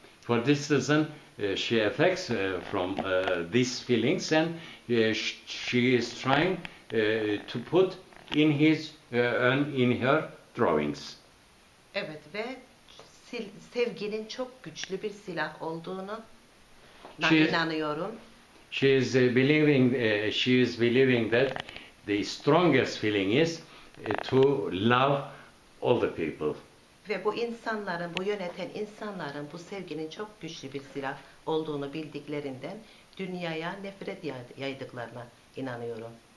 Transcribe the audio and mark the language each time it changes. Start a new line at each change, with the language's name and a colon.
English: For this reason, she affects from these feelings and she is trying to put in his in her drawings.
Turkish: Evet, ve sevginin çok güçlü bir silah olduğunu inanıyorum.
English: She is believing that the strongest feeling is to love all the people.
Turkish: Ve bu insanların, bu yöneten insanların bu sevginin çok güçlü bir silah olduğunu bildiklerinden dünyaya nefret yaydıklarına inanıyorum.